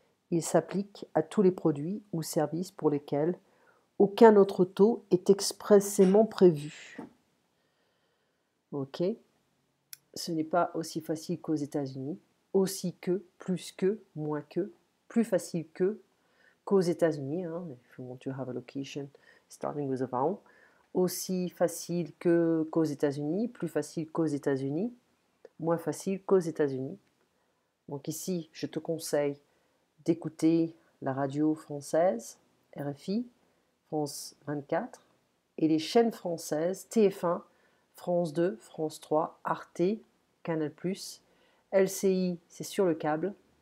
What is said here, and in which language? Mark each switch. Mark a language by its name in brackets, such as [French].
[French] Il s'applique à tous les produits ou services pour lesquels aucun autre taux est expressément prévu. OK. Ce n'est pas aussi facile qu'aux États-Unis. Aussi que, plus que, moins que, plus facile que, qu'aux États-Unis. [English] Hein, if you want to have a location, starting with a vowel. [French] Aussi facile que qu'aux États-Unis, plus facile qu'aux États-Unis, moins facile qu'aux États-Unis. Donc ici, je te conseille d'écouter la radio française, RFI, France 24, et les chaînes françaises, TF1, France 2, France 3, Arte, Canal+, LCI, c'est sur le câble.